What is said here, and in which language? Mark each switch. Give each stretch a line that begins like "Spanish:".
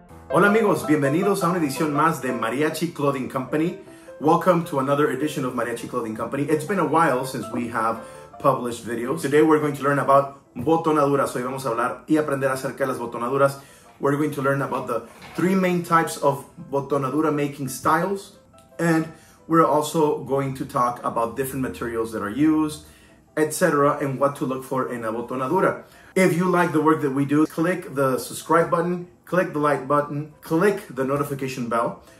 Spanish: Hola amigos, bienvenidos a una edición más de Mariachi Clothing Company.
English: Welcome to another edition of Mariachi Clothing Company. It's been a while since we have published videos. Today we're going to learn about botonaduras.
Spanish: Hoy vamos a hablar y aprender acerca de las botonaduras.
English: We're going to learn about the three main types of botonadura making styles. And we're also going to talk about different materials that are used, etc., and what to look for in a botonadura. If you like the work that we do, click the subscribe button, click the like button, click the notification bell.